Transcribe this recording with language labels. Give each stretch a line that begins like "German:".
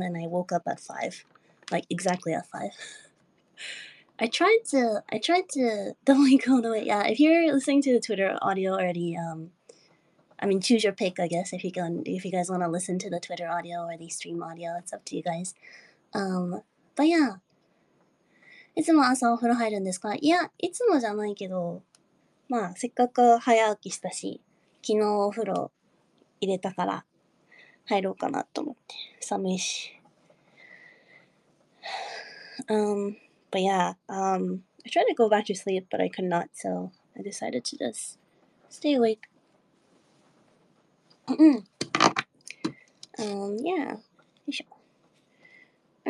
English: and I woke up at 5. Like exactly at 5. I tried to don't go the way. Yeah, if you're listening to the Twitter audio already, choose your pick, I guess. If you guys wanna listen to the Twitter audio or the stream audio, it's up to you guys. But yeah.
Japanese: いつも朝お風呂入るんですか？いや、いつもじゃないけど、まあ、せっかく早起きしたし、昨日お風呂入れたから入ろうかなと思って。寒いし。
English: But yeah, I tried to go back to sleep, but I could not, so I decided to just stay awake.
Japanese: よいしょ。